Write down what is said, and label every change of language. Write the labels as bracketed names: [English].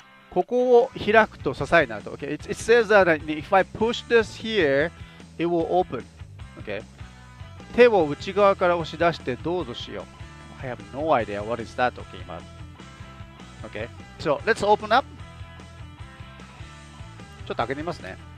[Japanese] ここを開くと支えになると。 [English] Okay. It says that if I push this here, it will open. Okay. [Japanese] 手を内側から押し出してどうぞしよう。 [English] I have no idea what is that. Okay. Okay. So let's open up. [Japanese] ちょっと開けてみますね。